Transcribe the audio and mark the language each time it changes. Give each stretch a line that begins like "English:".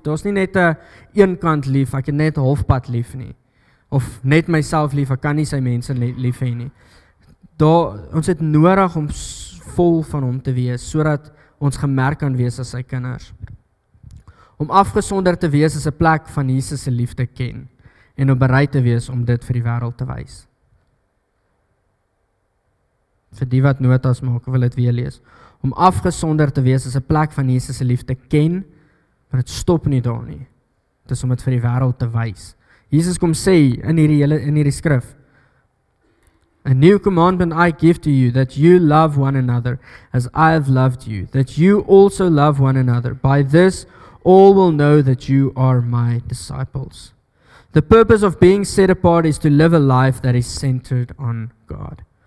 Afrikaans: Dit is nie net een eenkant lief, ek het net halfpad lief nie. Of net myself lief, ek kan nie sy mense lief hê nie. Ons het nodig om vol van hom te wees, sodat ons gemerk kan wees as sy kinders. Om afgesonder te wees is 'n plek van Jesus se liefde ken en om bereid te wees om dit vir die wêreld te wys. Vir die wat notas maak, wil dit weer lees. Om afgesonder te wees is 'n plek van Jesus se liefde ken, maar dit stop nie daar nie. Dit is om dit vir die wêreld te wys. Jesus kom sê in hierdie skrif
English: A new commandment I give to you, that you love one another as I have loved you, that you also love one another. By this, all will know that you are my disciples. The purpose of being set apart is to live a life that is centered on God.